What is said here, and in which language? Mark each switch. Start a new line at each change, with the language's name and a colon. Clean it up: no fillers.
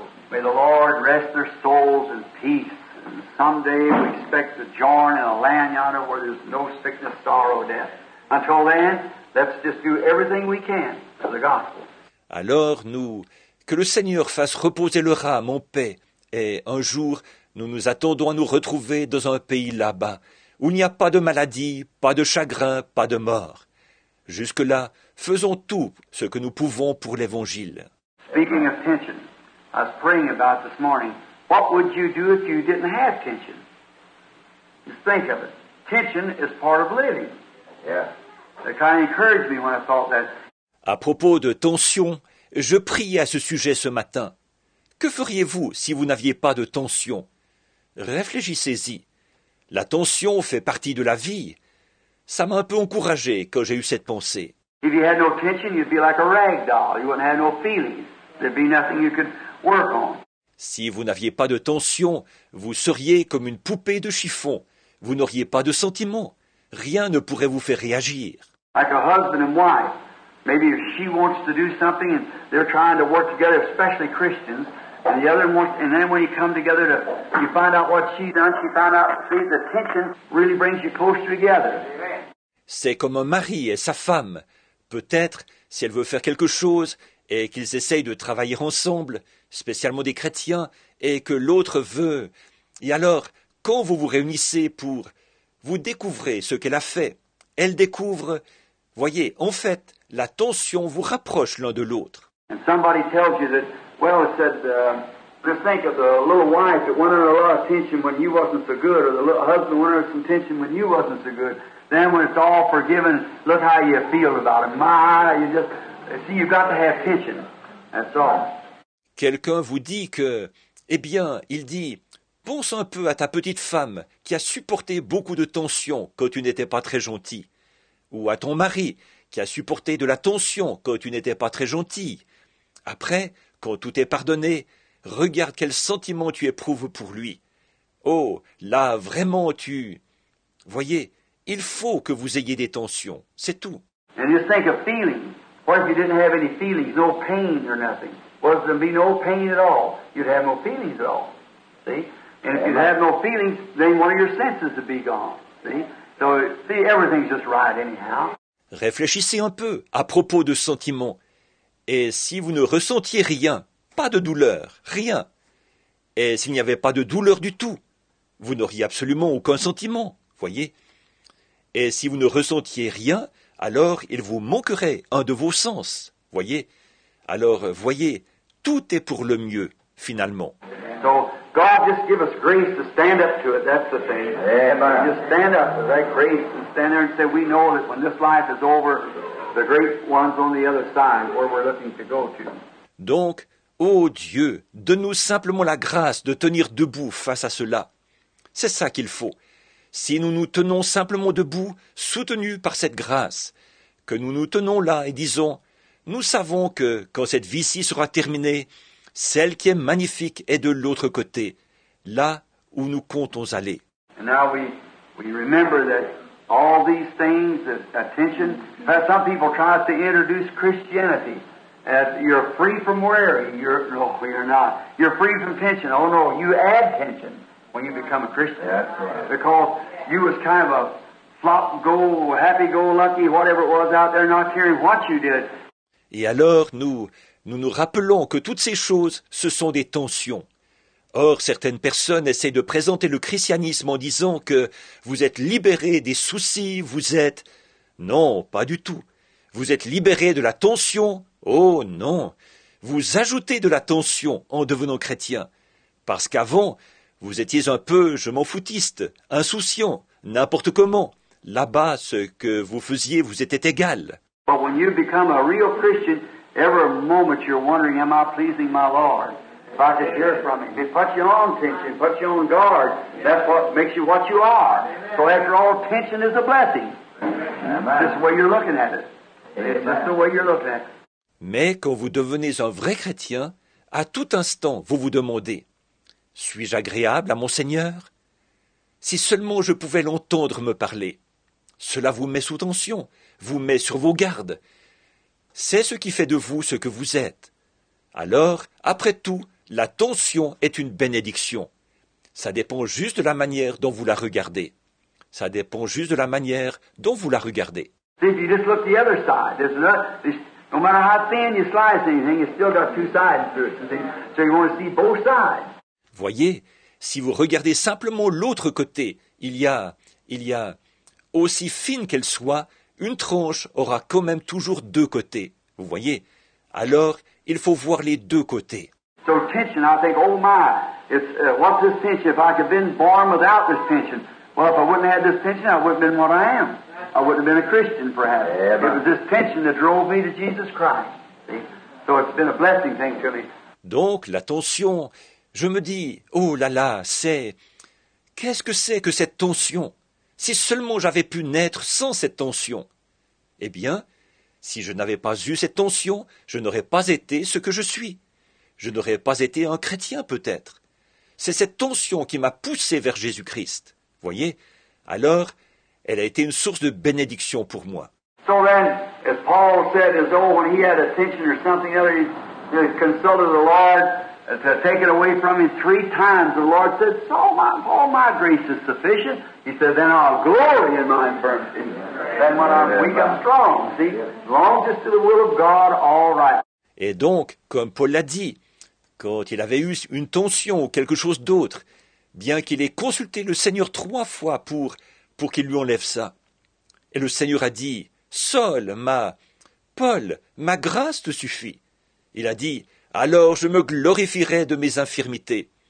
English: May the Lord rest their souls in peace. And someday we expect to join in a land yonder where there's no sickness, sorrow, death. Until then, let's just do everything we can for the gospel.
French: Alors nous... Que le Seigneur fasse reposer leur âme en paix, et un jour, nous nous attendons à nous retrouver dans un pays là-bas, où il n'y a pas de maladie, pas de chagrin, pas de mort. Jusque-là, faisons tout ce que nous pouvons pour l'Évangile.
English: Speaking of tension, I was praying about this morning. What would you do if you didn't have tension? Just think of it. Tension is part of living. Yeah. It kind of encouraged me when I thought that.
French: À propos de tension, je priais à ce sujet ce matin. Que feriez-vous si vous n'aviez pas de tension? Réfléchissez-y. La tension fait partie de la vie. Ça m'a un peu encouragé quand j'ai eu cette pensée.
English: If you had no tension, you'd be like a rag doll. You wouldn't have no feelings. There'd be nothing you could work on.
French: Si vous n'aviez pas de tension, vous seriez comme une poupée de chiffon. Vous n'auriez pas de sentiments. Rien ne pourrait vous faire réagir.
English: Like a husband and wife. Maybe if she wants to do something and they're trying to work together, especially Christians, and the other wants, and then when you come together to you find out what she's done, she found out, see, the tension really brings you closer together.
French: C'est comme un mari et sa femme. Peut-être, si elle veut faire quelque chose et qu'ils essayent de travailler ensemble, spécialement des chrétiens, et que l'autre veut. Et alors, quand vous vous réunissez pour... Vous découvrez ce qu'elle a fait. Elle découvre... Voyez, en fait, la tension vous rapproche l'un de l'autre.
English: And somebody tells you that, well, it said, just think of the little wife that went under a lot of tension when you wasn't so good, or the little husband went under some tension when you wasn't so good. Then when it's all forgiven, look how you feel about it. My, you just... See, you've got to have tension. That's all.
French: Quelqu'un vous dit que, eh bien, il dit, pense un peu à ta petite femme qui a supporté beaucoup de tensions quand tu n'étais pas très gentil, ou à ton mari qui a supporté de la tension quand tu n'étais pas très gentil. Après, quand tout est pardonné, regarde quel sentiment tu éprouves pour lui. Oh, là, vraiment, tu... Voyez, il faut que vous ayez des tensions, c'est tout.
English: And just think of feelings. What if you didn't have any feelings, no pain or nothing? Well, there'd be no pain at all. You'd have no feelings at all. See? And if you'd have no feelings, then one of your senses would be gone. See? So, see, everything's just right anyhow.
French: Réfléchissez un peu à propos de sentiments. Et si vous ne ressentiez rien, pas de douleur, rien. Et s'il n'y avait pas de douleur du tout, vous n'auriez absolument aucun sentiment, voyez. Et si vous ne ressentiez rien, alors il vous manquerait un de vos sens, voyez. Alors, voyez, tout est pour le mieux, finalement.
English: So, God just give us grace to stand up to it, that's the thing. Amen. Just stand up to that grace and stand there and say, we know that when this life is over, the great one's on the other side, where we're looking to go to.
French: Donc, ô Dieu, donne-nous simplement la grâce de tenir debout face à cela. C'est ça qu'il faut. Si nous nous tenons simplement debout, soutenus par cette grâce, que nous nous tenons là et disons, nous savons que, quand cette vie-ci sera terminée, celle qui est magnifique est de l'autre côté, là où nous comptons aller.
English: And now we remember that all these things, attention, some people try to introduce Christianity, as you're free from worry, you're not. You're free from tension. Oh no, you add tension when you become a Christian. That's right. Because you was kind of a flop-go, happy-go-lucky, whatever it was out there, not caring what you did.
French: Et alors, nous nous rappelons que toutes ces choses, ce sont des tensions. Or, certaines personnes essaient de présenter le christianisme en disant que vous êtes libérés des soucis, vous êtes... Non, pas du tout. Vous êtes libérés de la tension. Oh non, vous ajoutez de la tension en devenant chrétien. Parce qu'avant, vous étiez un peu, je m'en foutiste, insouciant, n'importe comment. Là-bas, ce que vous faisiez vous était égal.
English: But when you become a real Christian, every moment you're wondering, am I pleasing my Lord? If I could hear from him. It puts you on tension, puts you on guard. That's what makes you what you are. So after all, tension is a blessing. Amen. That's the way you're looking at it. That's the way you're looking at it.
French: Mais quand vous devenez un vrai chrétien, à tout instant, vous vous demandez, suis-je agréable à mon Seigneur? Si seulement je pouvais l'entendre me parler. Cela vous met sous tension, vous met sur vos gardes. C'est ce qui fait de vous ce que vous êtes. Alors, après tout, la tension est une bénédiction. Ça dépend juste de la manière dont vous la regardez. Ça dépend juste de la manière dont vous la regardez.
English: See, if you just look the other side, no matter how thin you slice anything, you still got two sides to it. So you want to see both sides.
French: Voyez, si vous regardez simplement l'autre côté, il y a aussi fine qu'elle soit, une tranche aura quand même toujours deux côtés. Vous voyez? Alors, il faut voir les deux côtés.
English: So tension, I think, oh my, it's, what's this tension? If I could have been born without this tension, well, if I wouldn't have had this tension, I wouldn't have been what I am. I wouldn't have been a Christian, perhaps. Yeah, it was this tension that drove me to Jesus Christ. See? So it's been a blessing thing to me.
French: Donc, la tension, je me dis, oh là là, c'est... Qu'est-ce que c'est que cette tension? Si seulement j'avais pu naître sans cette tension. Eh bien, si je n'avais pas eu cette tension, je n'aurais pas été ce que je suis. Je n'aurais pas été un chrétien, peut-être. C'est cette tension qui m'a poussé vers Jésus-Christ. Voyez, alors, elle a été une source de bénédiction pour moi.
English: So then, as Paul said, as though when he had a tension or something other, he consulted the Lord to take it away from him three times. The Lord said, so all my grace is sufficient. He said, then I'll glory in my infirmity. Then when I'm weak, I'm strong. See, as long as it's to the will of God, all right.
French: Et donc, comme Paul l'a dit, quand il avait eu une tension ou quelque chose d'autre, bien qu'il ait consulté le Seigneur trois fois pour qu'il lui enlève ça, et le Seigneur a dit, « Saul, ma grâce te suffit. » Il a dit, « Alors je me glorifierai de mes infirmités.